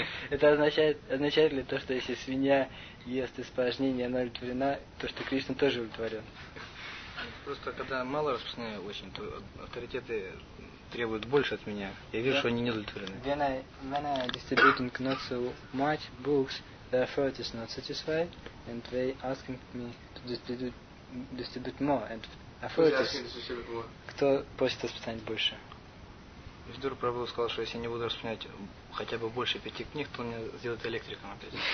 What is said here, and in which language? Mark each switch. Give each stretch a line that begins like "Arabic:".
Russian: Это означает ли то, что если свинья ест испражнение, она удовлетворена, то что Кришна тоже удовлетворен? Просто когда мало распространяю очень, то авторитеты требуют больше от меня. Я вижу, что они не удовлетворены.
English: When I distribute not so much books, the authority is not satisfied, and they asking me to distribute more. And authority.
Russian: Кто просит распространять больше? Вдруг Прабху сказал, что если я не буду распространять хотя бы больше 5 книг, то он меня сделает электриком опять.